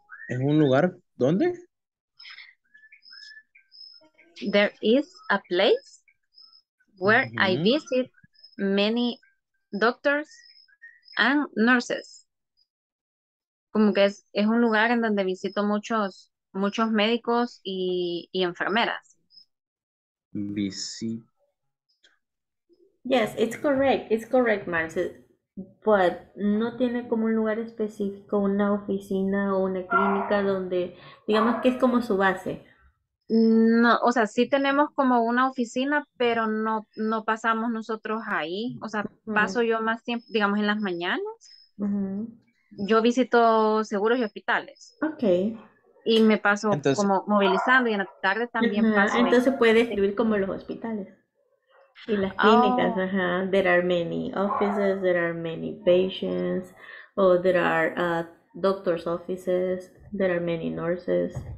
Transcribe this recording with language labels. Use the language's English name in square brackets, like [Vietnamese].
[Spanish] ¿En un lugar dónde? [English] There is a place where I visit many doctors and nurses. [Spanish] Como que es un lugar en donde visito muchos, muchos médicos y enfermeras. Visito. [English] Yes, it's correct. It's correct, Marcel. But [Spanish] no tiene como un lugar específico, una oficina o una clínica donde, digamos que es como su base. No, o sea, sí tenemos como una oficina, pero no, no pasamos nosotros ahí. O sea, paso yo más tiempo, digamos, en las mañanas. Yo visito seguros y hospitales. Ok. Y me paso entonces, como movilizando y en la tarde también paso. Entonces puede escribir como los hospitales. Y las clínicas, [English] there are many offices, there are many patients, or there are doctor's offices, there are many nurses.